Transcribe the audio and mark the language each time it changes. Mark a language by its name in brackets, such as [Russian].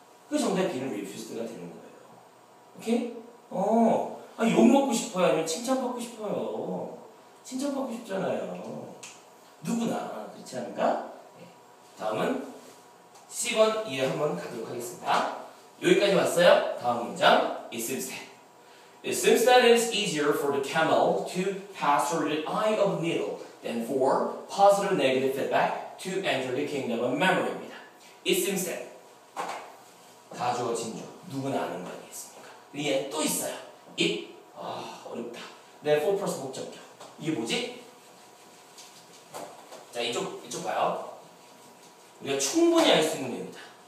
[Korean] 그 정답 B는 refused가 되는 거예요. 오케이? 어, 아, 욕 먹고 싶어요? 아니면 칭찬받고 싶어요? 칭찬받고 싶잖아요. 누구나 그렇지 않을까? 네. 다음은 C번 이해 한번 가도록 하겠습니다. 여기까지 왔어요. 다음 문장 [English] It seems that. It seems that it is easier for the camel to pass through the eye of a needle than for positive negative feedback to enter the kingdom of memory입니다. It seems that. [Korean] 다 주어진 줄 누구나 아는 거 아니겠습니까? 이게 또 있어요. It. 아, 어렵다. [English] Then for plus [Korean] 목적격. 이게 뭐지? 자, 이쪽 봐요. 우리가 충분히 알 수 있는 겁니다.